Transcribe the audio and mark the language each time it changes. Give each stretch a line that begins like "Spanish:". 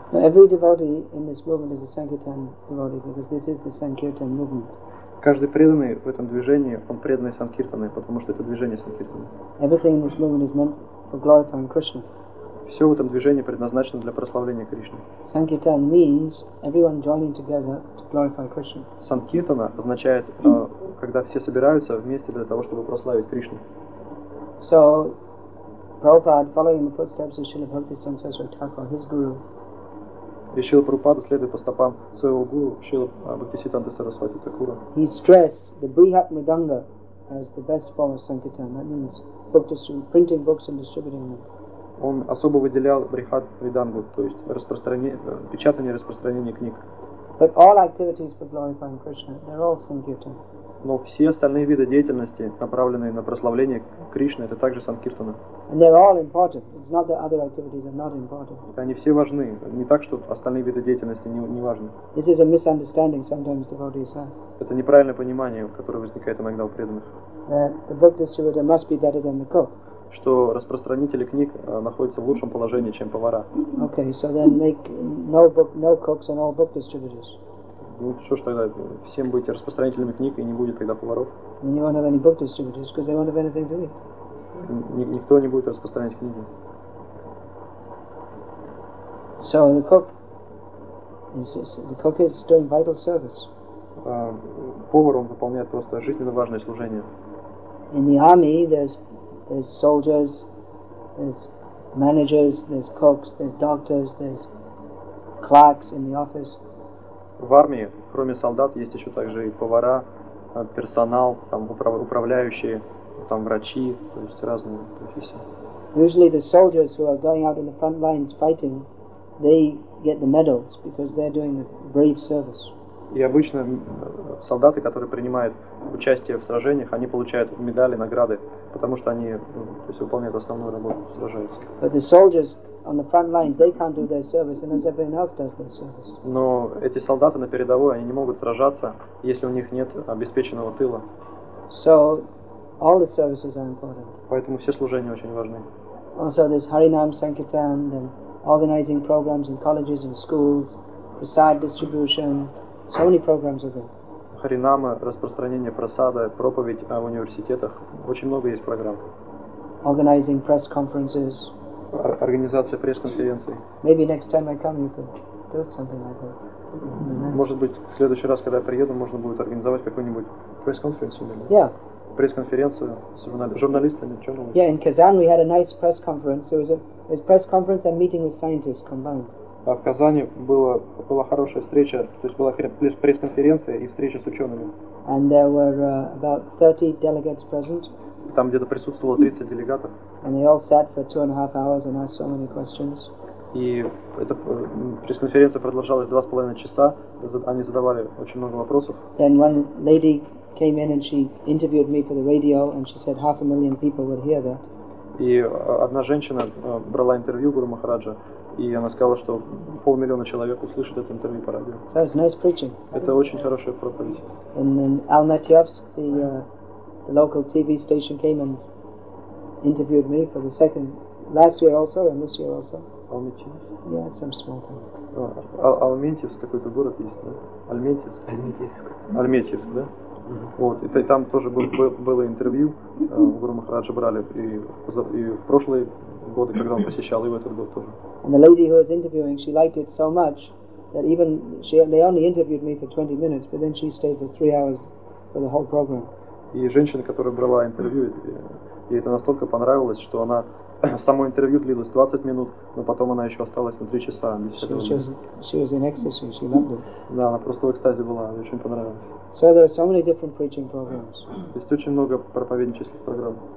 English: Now every devotee in this movement is a Sankirtan devotee because this is the Sankirtan movement.
Russian: Каждый преданный в этом движении, он преданный Санкиртаны, потому что это движение Санкиртаны.
English: Everything in this movement is meant for glorifying Krishna.
Russian: Все в этом движении предназначено для прославления Кришны.
English: Sankirtan means everyone joining together to glorify Krishna.
Russian: Санкиртана означает, когда все собираются вместе для того, чтобы прославить Кришну.
English: So, Prabhupada, following the footsteps of Srila Bhakti Sanseswar Thakur, his guru.
Russian: И Шрила Прабхупада следует по стопам своего гуру Шрила Бхактисиддханта Сарасвати Такура.
English: He stressed the Brihat Madanga as the best form of Sankirtan. That means printing books and distributing them.
Russian: Он особо выделял Брихат Мридангу, то есть распространение, печатание и распространение книг.
English: But all activities for glorifying Krishna, they're all Sankirtan.
Russian: Но все остальные виды деятельности, направленные на прославление Кришны, это также Санкиртана.
English: And they're all important. It's not that other activities are not important.
Russian: Они все важны. Не так, что остальные виды деятельности не важны.
English: This is a misunderstanding sometimes devotees have.
Russian: Это неправильное понимание, которое возникает иногда у преданных.
English: The book distributor must be better than the cook.
Russian: Что распространители книг находятся в лучшем положении, чем повара.
English: Okay, so then make no cooks and all book distributors.
Russian: Ну что ж тогда, всем быть распространителями книг, и не будет тогда поваров.
English: And you won't have any book distributors, because they won't have anything to eat.
Russian: Никто не будет распространять книги.
English: So the cook is doing vital service.
Russian: Повар, он выполняет просто жизненно важное служение.
English: In the army, there's soldiers, there's managers, there's cooks, there's doctors, there's clerks in the office.
Russian: В армии, кроме солдат, есть еще также и повара, персонал, там управляющие, там врачи, то есть разные профессии.
English: Usually the soldiers who are going out in the front lines fighting, they get the medals because they're doing the brave service.
Russian: И обычно солдаты, которые принимают участие в сражениях, они получают медали, награды, потому что они, то есть выполняют основную работу, сражаются.
English: But the soldiers on the front lines, they can't do their service unless everyone else does their service.
Russian: Но эти солдаты на передовой, они не могут сражаться, если у них нет обеспеченного тыла.
English: So all the services are important.
Russian: Поэтому все служения очень важны.
English: Also there's Harinam Sankirtan, then organizing programs in colleges and schools, prasad distribution. So many programs are there.
Russian: Харинама, распространение просада, проповедь о университетах. Очень много есть программ.
English: Organizing press conferences.
Russian: Организация пресс-конференций.
English: Maybe next time I come, you could do something like that.
Russian: Может быть, в следующий раз, когда я приеду, можно будет организовать какую-нибудь пресс-конференцию.
English: Yeah.
Russian: Пресс-конференцию с журналистами, чёрными.
English: Yeah, in Kazan we had a nice press conference. It was press conference and meeting with scientists combined.
Russian: А в Казани была хорошая встреча, то есть была пресс-конференция и встреча с учеными.
English: And there were about 30 delegates present.
Russian: Там где-то присутствовало 30 делегатов.
English: And they all sat for 2.5 hours and asked so many questions.
Russian: И эта пресс-конференция продолжалась 2.5 часа, они задавали очень много вопросов.
English: Then one lady came in and she interviewed me for the radio and she said 500,000 people would hear that.
Russian: И одна женщина брала интервью Гуру Махараджа. И она сказала, что 500,000 человек услышат это интервью по радио.
English: So it's nice preaching.
Russian: Это очень хорошая проповедь.
English: And in Almatyevsk, the local TV station came and interviewed me for the second, last year also and this year also. Almatyevsk? Yeah, it's some small town.
Russian: Алметьевск какой-то город есть, да? Алметьевск? Алметьевск. Алметьевск, да? Вот, и там тоже было интервью, Гуру Махараджа брали и в прошлые годы, когда он посещал, и в этот год тоже.
English: And the lady who was interviewing, she liked it so much that even they only interviewed me for 20 minutes, but then she stayed for 3 hours for the whole program.
Russian: И женщина, которая брала интервью, ей это настолько понравилось, что она само интервью длилось 20 минут, но потом она еще осталась на 3 часа.
English: She was in ecstasy, she loved it.
Russian: Да, она просто в экстазе была, ей очень понравилось.
English: So there are so many different preaching programs.
Russian: То есть очень много проповеднических программ.